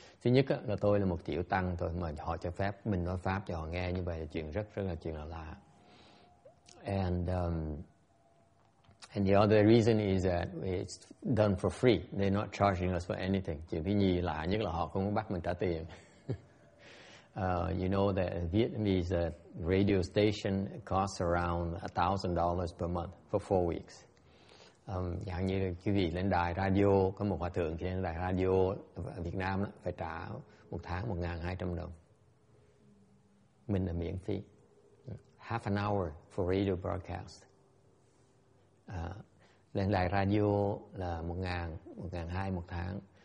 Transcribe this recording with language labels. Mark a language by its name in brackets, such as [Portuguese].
[Vietnamese] Thứ nhất là tôi là một tiểu tăng, tôi mà họ cho phép mình nói pháp cho họ nghe như vậy là chuyện rất là chuyện là lạ. [English] And the other reason is that it's done for free; they're not charging us for anything. [Vietnamese] Chuyện thứ nhì lạ nhất là họ không bắt mình trả tiền. [English] You know that Vietnamese radio station costs around $1,000 per month for 4 weeks. [Vietnamese] Dạng như quý vị lên đài radio, có một hòa thượng trên đài radio Việt Nam phải trả một tháng $1,200. Mình là miễn phí. [English] Half an hour for radio broadcast. [Vietnamese] Lên đài radio là $1,200 một tháng.